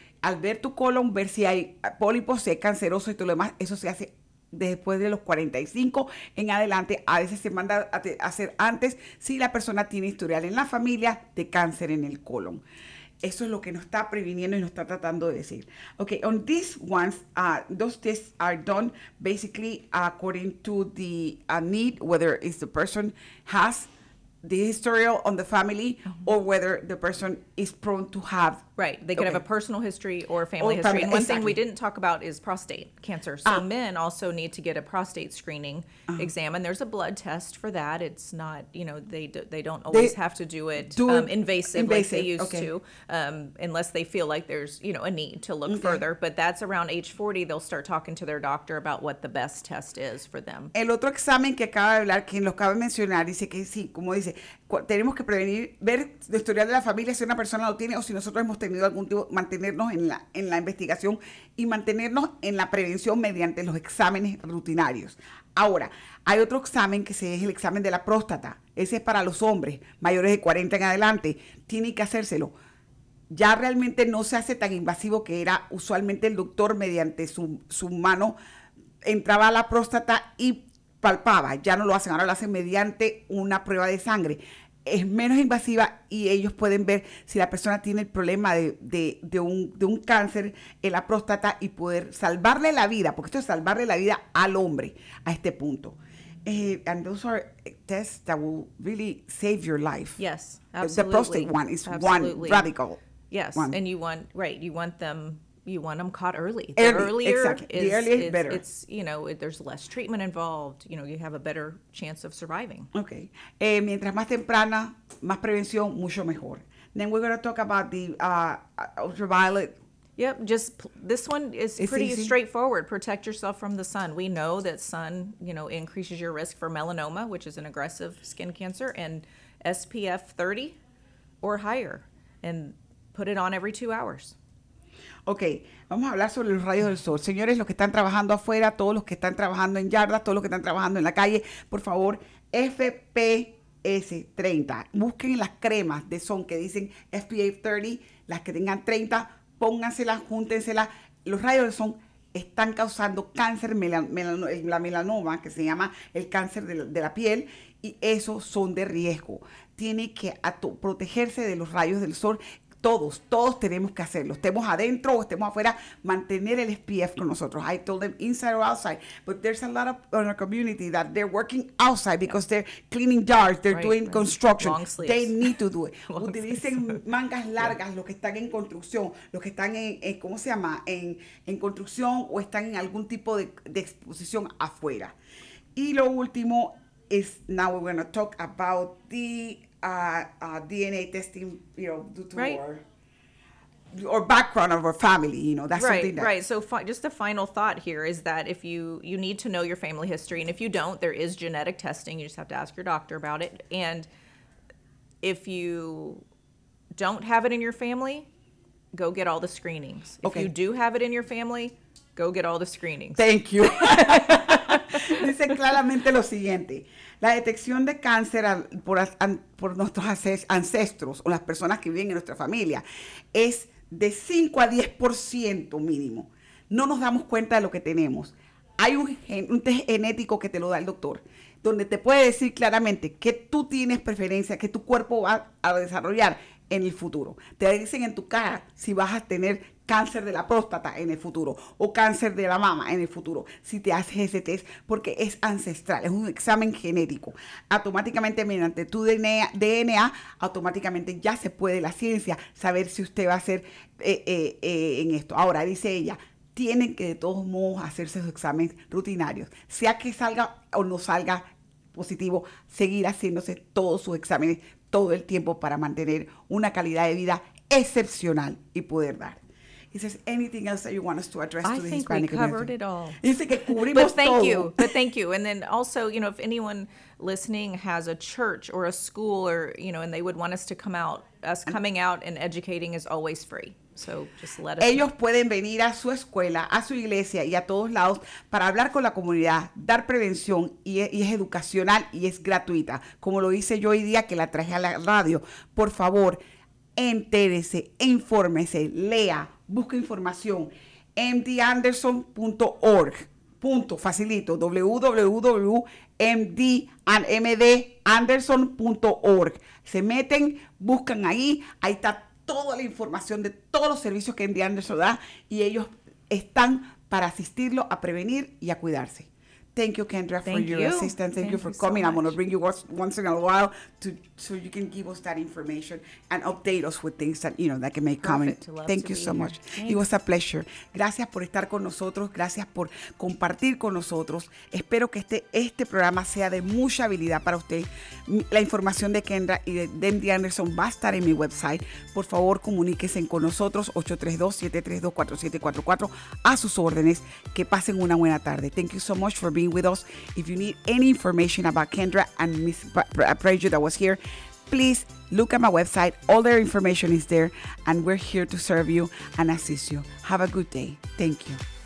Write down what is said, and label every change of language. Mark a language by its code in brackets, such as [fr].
[es] Al ver tu colon, ver si hay pólipos, si es canceroso y todo lo demás, eso se hace después de los 45 en adelante. A veces se manda a hacer antes si la persona tiene historial en la familia de cáncer en el colon. Eso es lo que nos está previniendo y nos está tratando de decir. [en] Okay, on these ones, those tests are done basically according to the need, whether it's the person has the historial on the family, mm-hmm. or whether the person is prone to have. Right. They could have a personal history or a family history. And one thing we didn't talk about is prostate cancer. So men also need to get a prostate screening exam. And there's a blood test for that. It's not, you know, they don't always have to do it invasive like they used to, unless they feel like there's, you know, a need to look further. But that's around age 40, they'll start talking to their doctor about what the best test is for them. [es] El otro examen que acaba de hablar, que lo acaba de mencionar, dice que sí, como dice, tenemos que prevenir, ver el historial de la familia, si una persona lo tiene o si nosotros hemos tenido algún tipo, mantenernos en la investigación y mantenernos en la prevención mediante los exámenes rutinarios. Ahora, hay otro examen que es el examen de la próstata. Ese es para los hombres mayores de 40 en adelante. Tienen que hacérselo. Ya realmente no se hace tan invasivo que era usualmente el doctor mediante su mano entraba a la próstata y palpaba. Ya no lo hacen, ahora lo hacen mediante una prueba de sangre. Es menos invasiva y ellos pueden ver si la persona tiene el problema de un cáncer en la próstata y poder salvarle la vida, porque esto es salvarle la vida al hombre a este punto. [en] And those are tests that will really save your life. Yes, absolutely. The prostate one is one radical. Yes, one. And you want them caught early. The earlier it's better. It's, you know, there's less treatment involved. You know, you have a better chance of surviving. [es] Okay. Mientras más temprana, más prevención, mucho mejor. [en] Then we're going to talk about the ultraviolet. Yep, just this one is pretty easy. Straightforward. Protect yourself from the sun. We know that sun, you know, increases your risk for melanoma, which is an aggressive skin cancer, and SPF 30 or higher. And put it on every 2 hours. [es] Okay, vamos a hablar sobre los rayos del sol. Señores, los que están trabajando afuera, todos los que están trabajando en yardas, todos los que están trabajando en la calle, por favor, FPS 30. Busquen las cremas de sol que dicen SPF 30, las que tengan 30, pónganselas, júntenselas. los rayos son están causando cáncer, la melanoma, que se llama el cáncer de la piel, y esos son de riesgo. Tiene que protegerse de los rayos del sol. Todos tenemos que hacerlo. Estemos adentro o estemos afuera, mantener el SPF con nosotros. [en] I told them inside or outside. But there's a lot of in our community that they're working outside because they're cleaning yards, they're right, doing construction. Long sleeves. They need to do it. [es] Utilicen mangas largas, yeah. Los que están en construcción, los que están en ¿cómo se llama? En construcción o están en algún tipo de exposición afuera. Y lo último [en] is now we're going to talk about the DNA testing, due to our background of our family, just the final thought here is that if you need to know your family history, and if you don't, there is genetic testing. You just have to ask your doctor about it. And if you don't have it in your family, go get all the screenings. If you do have it in your family, go get all the screenings. Thank you. [es] Dice claramente lo siguiente. La detección de cáncer por nuestros ancestros o las personas que viven en nuestra familia es de 5 a 10% mínimo. No nos damos cuenta de lo que tenemos. Hay un test genético que te lo da el doctor, donde te puede decir claramente que tú tienes preferencia, que tu cuerpo va a desarrollar en el futuro. Te dicen en tu cara si vas a tener cáncer de la próstata en el futuro o cáncer de la mama en el futuro si te haces ese test, porque es ancestral, es un examen genético. Automáticamente, mediante tu DNA, automáticamente ya se puede la ciencia saber si usted va a ser en esto. Ahora, dice ella, tienen que de todos modos hacerse sus exámenes rutinarios. Sea que salga o no salga positivo, seguir haciéndose todos sus exámenes todo el tiempo para mantener una calidad de vida excepcional y poder dar. [en] He says, anything else that you want us to address to the Hispanic community? I think we covered it all. [es] Dice que cubrimos todo. [en] Thank you. But thank you. And then also, if anyone listening has a church or a school or, and they would want us to come out, us coming out and educating is always free. So just let us know. [es] Ellos pueden venir a su escuela, a su iglesia y a todos lados para hablar con la comunidad, dar prevención y es educacional y es gratuita. Como lo hice yo hoy día que la traje a la radio. Por favor, entérese, infórmese, lea. Busca información, mdanderson.org, punto, facilito, www.mdanderson.org. Se meten, buscan ahí está toda la información de todos los servicios que MD Anderson da y ellos están para asistirlo a prevenir y a cuidarse. [en] Thank you, Kendra, for your assistance. Thank you for coming. So I'm going to bring you once in a while so you can give us that information and update us with things that, that can make coming. Thank you so much. Here. It was a pleasure. [es] Gracias por estar con nosotros. Gracias por compartir con nosotros. Espero que este programa sea de mucha habilidad para usted. La información de Kendra y de MD Anderson va a estar en mi website. Por favor, comuníquese con nosotros, 832-732-4744, a sus órdenes. Que pasen una buena tarde. [en] Thank you so much for being with us. If you need any information about Kendra and Miss Preju that was here, please look at my website. All their information is there, and we're here to serve you and assist you. Have a good day. Thank you.